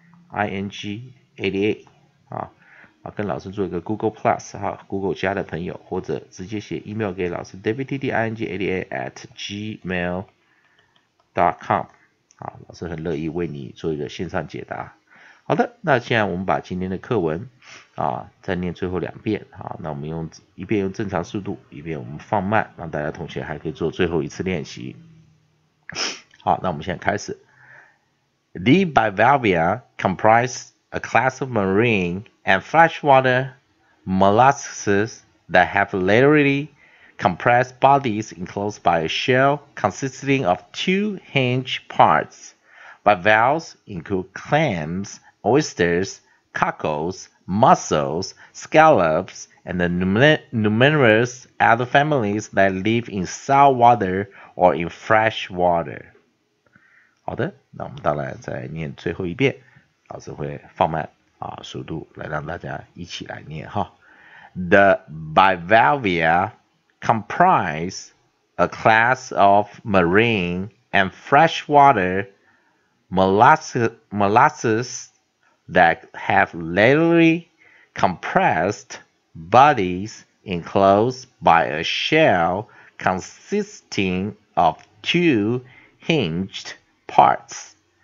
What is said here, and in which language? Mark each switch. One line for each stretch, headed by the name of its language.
Chinese: ING88 跟老师做一个 Google Plus Google 加的朋友，或者直接写 email 给老师 davidtting88@gmail.com 老师很乐意为你做一个线上解答。好的，那现在我们把今天的课文再念最后两遍那我们用一遍用正常速度，一遍我们放慢，让大家同学还可以做最后一次练习。好，那我们现在开始。
English: The Bivalvia comprise a class of marine and freshwater mollusks that have laterally compressed bodies enclosed by a shell consisting of two hinge parts. Bivalves include clams, oysters, cockles, mussels, scallops, and the numerous other families that live in saltwater or in freshwater.
Chinese: 好的，那我们当然再念最后一遍，老师会放慢速度来让大家一起来念哈。
English: The Bivalvia comprise a class of marine and freshwater mollusks that have laterally compressed bodies enclosed by a shell consisting of two hinged parts.